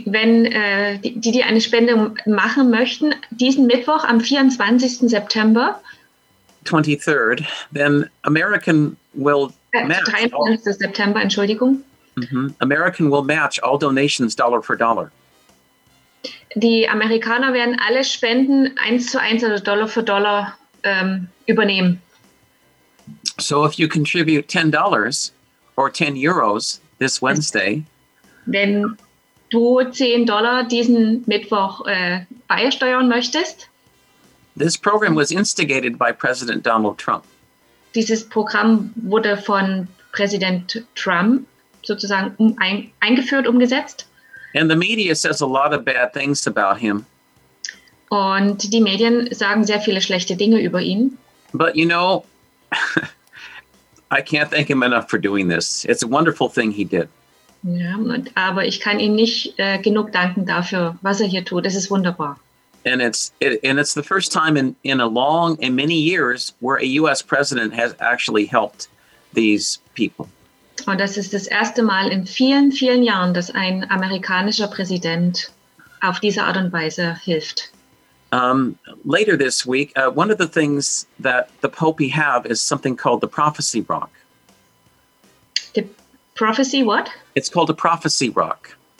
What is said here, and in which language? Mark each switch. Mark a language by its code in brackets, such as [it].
[de] die eine Spende machen möchten, diesen Mittwoch am 24. September. [en] 23rd, then American will match. [de] 23. September, Entschuldigung. [en] American will match all donations dollar for dollar. [de] die Amerikaner werden alle Spenden 1:1 oder Dollar für Dollar übernehmen. [en] So if you contribute $10 or 10 euros this Wednesday, [de] wenn du $10 diesen Mittwoch beisteuern möchtest, [en] this program was instigated by President Donald Trump. [de] Dieses Programm wurde von Präsident Trump sozusagen eingeführt, umgesetzt. [en] And the media says a lot of bad things about him. [de] Und die Medien sagen sehr viele schlechte Dinge über ihn. [en] But you know, I can't thank him enough for doing this. It's a wonderful thing he did. [de] Ja, aber ich kann ihm nicht genug danken dafür, was er hier tut. Es ist wunderbar. [en] And it's the first time in a long and many years where a U.S. president has actually helped these people. [de] Und das ist das erste Mal in vielen, vielen Jahren, dass ein amerikanischer Präsident auf diese Art und Weise hilft. [en] Later this week, one of the things that the Pope have is something called the Prophecy Rock. The Prophecy what? It's called a Prophecy Rock.